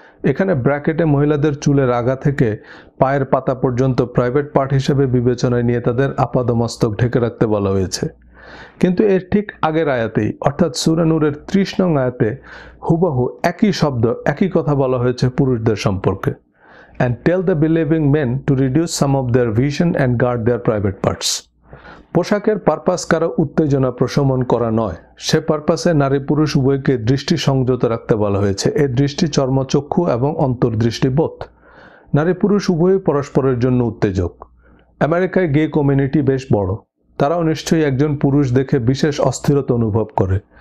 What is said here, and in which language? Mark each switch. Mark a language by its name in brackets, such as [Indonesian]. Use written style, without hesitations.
[Bangla] এখানে ব্র্যাকেটে মহিলাদের চুলের আগা থেকে পায়ের পাতা পর্যন্ত প্রাইভেট পার্ট হিসেবে বিবেচনায় নিয়ে তাদের আপাদমস্তক ঢেকে রাখতে বলা হয়েছে। কিন্তু এর ঠিক আগের আয়াতেই, অর্থাৎ সুরা নূরের 30 নং আয়াতে, হুবহু একই শব্দ, একই কথা বলা হয়েছে পুরুষদের সম্পর্কে। [English] And tell the believing men to reduce some of their vision and guard their private parts. [Bangla] পোশাকের পারপাস কারো উত্তেজনা প্রশমন করা নয়, সে পারপাসে নারী পুরুষ উভয়কে দৃষ্টি সংযত রাখতে বলা হয়েছে। এ দৃষ্টি চর্মচক্ষু এবং অন্তর্দৃষ্টিবোধ। নারী পুরুষ উভয়ই পরস্পরের জন্য উত্তেজক। আমেরিকায় গে কমিউনিটি বেশ বড়, তারাও নিশ্চয়ই একজন পুরুষ দেখে বিশেষ অস্থিরতা অনুভব করে।